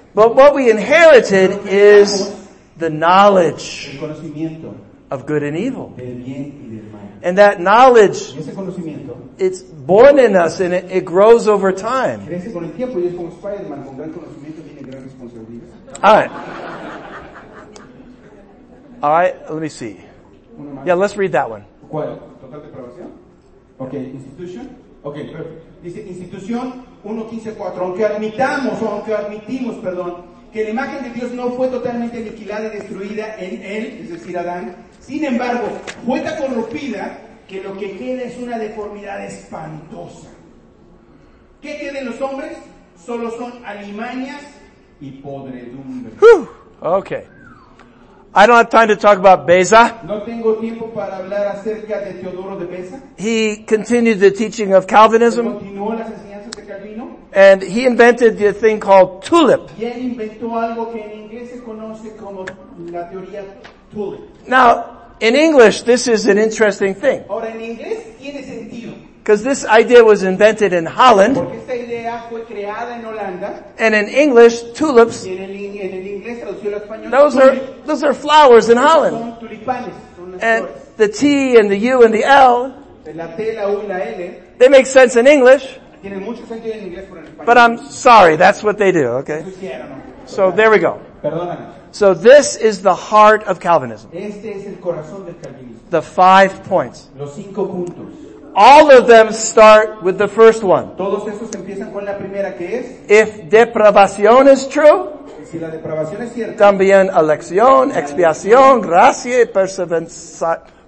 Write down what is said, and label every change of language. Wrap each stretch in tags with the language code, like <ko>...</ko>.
<en>But what we inherited is the knowledge</en> <es>el conocimiento</es> <en>of good and evil.</en> <es>Del bien y del mal.</es> <en>And that knowledge,</en> <es>ese conocimiento,</es> <en>it's born in us and it grows over time.</en> <es>Crece con el tiempo y es como Spider-Man, con gran conocimiento viene gran responsabilidad.</es> <en>All right. All right, let me see. Yeah, let's read that one.</en> <es>¿Cuál? Total depravación.</es> <en>Okay, institution. Okay, perfect.</en> <es>Dice institución 1.15.4. Aunque admitimos, que la imagen de Dios no fue totalmente aniquilada y destruida en él, es decir, Adán, sin embargo, fue tan corrompida que lo que queda es una deformidad espantosa. ¿Qué queda en los hombres? Solo son alimañas y podredumbre.</es> <en>Okay. I don't have time to talk about Beza.</en> <es>No tengo tiempo para hablar acerca de Teodoro de Beza.</es> <en>He continued the teaching of Calvinism.</en> <es>Continuó las enseñanzas de Calvino.</es> <en>And he invented the thing called tulip.</en> <es>Y él inventó algo que en inglés se conoce como la teoría tulip.</es> <en>Now, in English, this is an interesting thing.</en> <es>Ahora, en inglés tiene sentido.</es> <en>Because this idea was invented in Holland.</en> <es>Porque esta idea fue creada en Holanda.</es> <en>And in English, tulips.</en> <es>Y en el inglés, traducido al español,</es> <en>those are flowers in Holland.</en> <es>Son tulipanes, son las</es> <en>and</en> <es>flores.</es> <en>The T and the U and the L.</en> <es>La T, la U y la L.</es> <en>They make sense in English.</en> <es>Tienen mucho sentido en inglés, pero en español.</es> <en>But I'm sorry, that's what they do, okay? So there we go.</en> <es>Perdóname.</es> <en>So this is the heart of Calvinism.</en> <es>Este es el corazón del Calvinismo.</es> <en>The 5 points.</en> <es>Los cinco puntos.</es> <en>All of them start with the first one.</en> <es>Todos esos empiezan con la primera, que es,</es> <en>if depravación is true,</en> <es>si la depravación es cierta, también elección, expiación, gracia, perseverancia.</es>